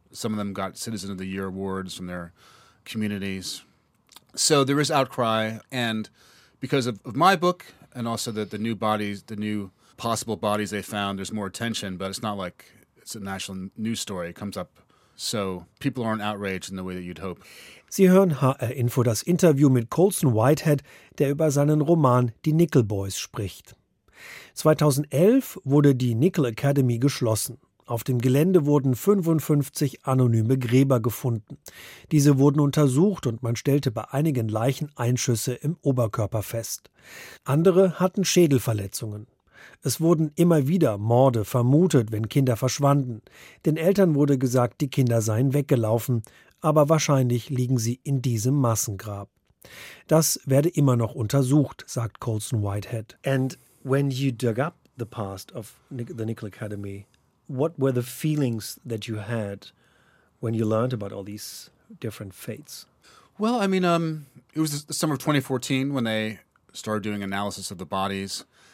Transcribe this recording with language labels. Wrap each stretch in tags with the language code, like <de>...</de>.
<en>Some of them got Citizen of the Year awards from their communities. So there is outcry. And because of my book and also the new bodies, the new possible bodies they found, there's more attention. But it's not like it's a national news story. It comes up. So people aren't outraged in the way that you'd hope.</en> <de>Sie hören HR Info, das Interview mit Colson Whitehead, der über seinen Roman Die Nickel Boys spricht. 2011 wurde die Nickel Academy geschlossen. Auf dem Gelände wurden 55 anonyme Gräber gefunden. Diese wurden untersucht und man stellte bei einigen Leichen Einschüsse im Oberkörper fest. Andere hatten Schädelverletzungen. Es wurden immer wieder Morde vermutet, wenn Kinder verschwanden. Den Eltern wurde gesagt, die Kinder seien weggelaufen, aber wahrscheinlich liegen sie in diesem Massengrab. Das werde immer noch untersucht, sagt Colson Whitehead.</de> <en>And when you dug up the past of the Nickel Academy, what were the feelings that you had when you learned about all these different fates? Well, I mean, it was the summer of 2014 when they started doing analysis of the bodies.</en>